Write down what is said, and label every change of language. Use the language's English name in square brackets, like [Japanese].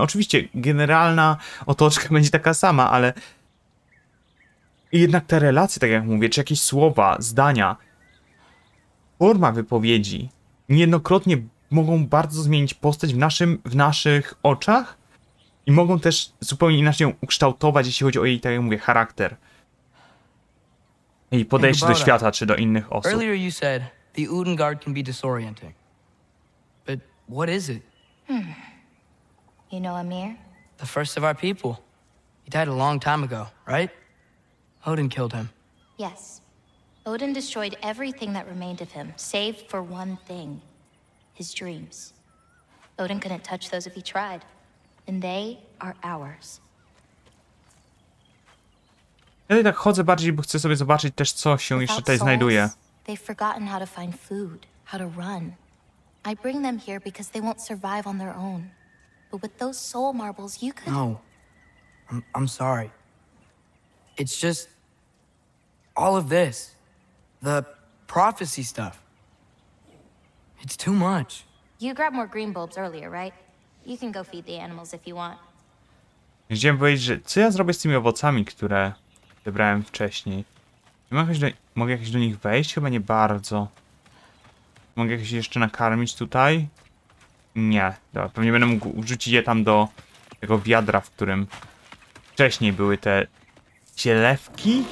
[Polish] Oczywiście generalna otoczka będzie taka sama, ale jednak te relacje, tak jak mówię, czy jakieś słowa, zdania, forma wypowiedzi niejednokrotnie mogą bardzo zmienić postać w naszych oczach i mogą też zupełnie inaczej ją ukształtować, jeśli chodzi o jej, tak jak mówię, charakter i podejście do świata czy do innych osób. [English] Earlier you said the Utengard can be disorienting. But what is it? You know Amir? The first of our people. He died a long time ago, right? Odin killed him. Yes. Odin destroyed everything that remained of him, save for one thing. His dreams. Odin couldn't touch those if he tried. And they are ours. [Polish] Ja tak chodzę bardziej, bo chcę sobie zobaczyć też, co się jeszcze tutaj znajduje. [English] They've forgotten how to find food, how to run. I bring them here because they won't survive on their own. But with those soul marbles, you could... No. I'm sorry. It's just... All of this. The prophecy stuff. It's too much. You grabbed more green bulbs earlier, right? You can go feed the animals if you want. [Polish] Chciałem powiedzieć, że co ja zrobię z tymi owocami, które wybrałem wcześniej? Mogę jakoś do nich wejść? Chyba nie bardzo. Mogę jakieś jeszcze nakarmić tutaj? Nie. Dobra, pewnie będę mógł wrzucić je tam do tego wiadra, w którym wcześniej były te zielewki?